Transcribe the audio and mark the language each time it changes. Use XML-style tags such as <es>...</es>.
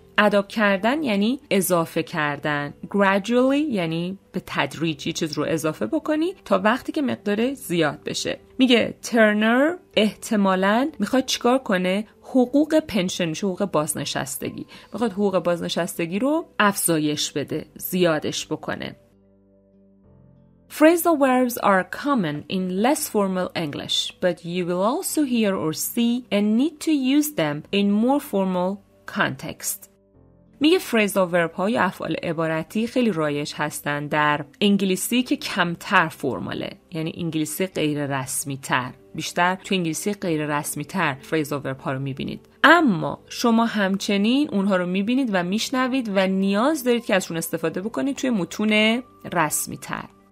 <fa>اضافه کردن یعنی اضافه کردن، gradually یعنی به تدریج یه چیز رو اضافه بکنی تا وقتی که مقدار زیاد بشه. میگه ترنر احتمالاً میخواد چیکار کنه؟ حقوق پنشن، حقوق بازنشستگی، میخواد حقوق بازنشستگی رو افزایش بده، زیادش بکنه.</fa> <en>Phrasal verbs are common in less formal English, but you will also hear or see and need to use them in more formal context.</en> <fa>میگه فریزال ورب ها یا افعال عبارتی خیلی رایج هستن در انگلیسی که کمتر فرماله، یعنی انگلیسی غیر رسمی تر، بیشتر تو انگلیسی غیر رسمی تر فریزال ورب ها رو میبینید، اما شما همچنین اونها رو میبینید و میشنوید و نیاز دارید که ازشون استفاده بکنید توی متون رسمی تر.</fa>